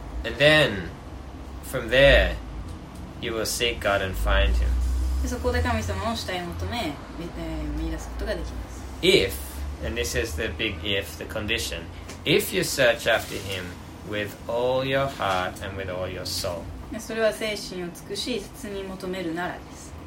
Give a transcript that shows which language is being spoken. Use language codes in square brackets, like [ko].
[en] And then from there you will seek God and find Him. [ja] そこで神様を主体を求め、見出すことができます。 [en] If, and this is the big if, the condition, if you search after him with all your heart and with all your soul. [ja] それは精神を尽くし、切に求めるならです。